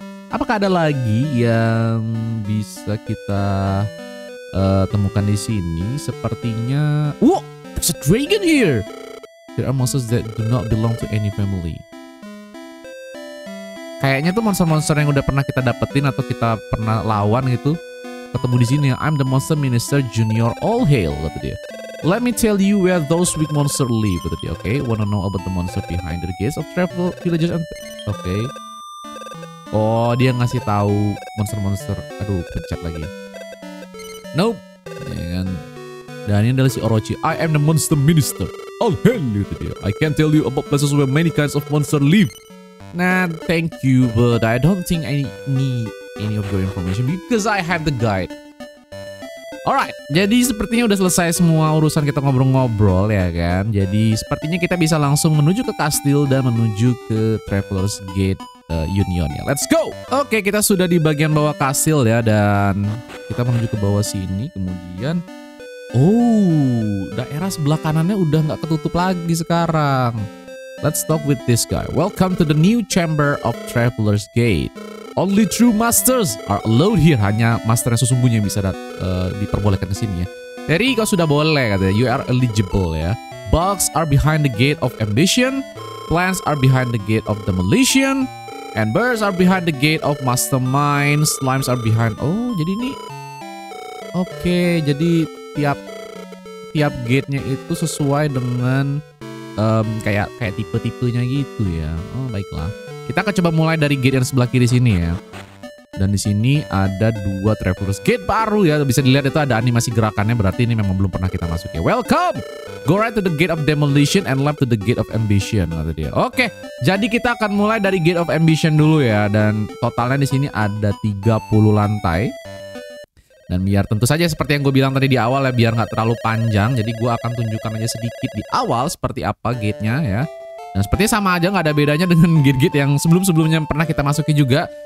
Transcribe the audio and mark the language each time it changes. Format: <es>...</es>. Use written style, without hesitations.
<id>Apakah ada lagi yang bisa kita temukan di sini? Sepertinya.</id> <en>Whoa! There's a dragon here. There are monsters that do not belong to any family.</en> <id>Kayaknya tuh monster-monster yang udah pernah kita dapetin atau kita pernah lawan gitu ketemu di sini.</id> <en>I'm the Monster Minister Junior, all hail,</en> <id>kata dia.</id> <en>Let me tell you where those weak monsters live, kata dia. Okay, wanna know about the monster behind the gates of travel villages and...</en> <id>Okay. Oh, dia ngasih tahu monster-monster. Aduh, pencet lagi. Nope. Dan ini adalah si Orochi.</id> <en>I am the Monster Minister, all hail,</en> <id>kata dia.</id> <en>I can tell you about places where many kinds of monster live. Nah, thank you, but I don't think I need any of your information because I have the guide.</en> <id>Alright, jadi sepertinya udah selesai semua urusan kita ngobrol-ngobrol ya kan. Jadi sepertinya kita bisa langsung menuju ke kastil dan menuju ke Traveler's Gate Union ya.</id> <en>Let's go!</en> <id>Oke, kita sudah di bagian bawah kastil ya, dan kita menuju ke bawah sini. Kemudian, oh, daerah sebelah kanannya udah nggak ketutup lagi sekarang.</id> <en>Let's talk with this guy. Welcome to the new chamber of Traveler's Gate. Only true masters are allowed here.</en> <id>Hanya master yang sesungguhnya bisa diperbolehkan ke sini ya.</id> <en>Terry,</en> <id>kau sudah boleh katanya.</id> <en>You are eligible ya. Bugs are behind the gate of ambition. Plants are behind the gate of demolition. And birds are behind the gate of mastermind. Slimes are behind. Oh,</en> <id>jadi ini. Okay, jadi tiap gate-nya itu sesuai dengan kayak tipe-tipenya gitu ya. Oh, baiklah. Kita akan coba mulai dari gate yang sebelah kiri sini ya. Dan di sini ada dua Traveler's Gate baru ya. Bisa dilihat itu ada animasi gerakannya, berarti ini memang belum pernah kita masuk ya.</id> <en>Welcome. Go right to the gate of demolition and left to the gate of ambition,</en> <id>kata dia. Oke, jadi kita akan mulai dari gate of ambition dulu ya. Dan totalnya di sini ada 30 lantai. Dan biar tentu saja seperti yang gue bilang tadi di awal ya, biar nggak terlalu panjang. Jadi gue akan tunjukkan aja sedikit di awal seperti apa gate-nya ya. Dan sepertinya sama aja, nggak ada bedanya dengan gate-gate yang sebelum-sebelumnya pernah kita masuki juga.</id>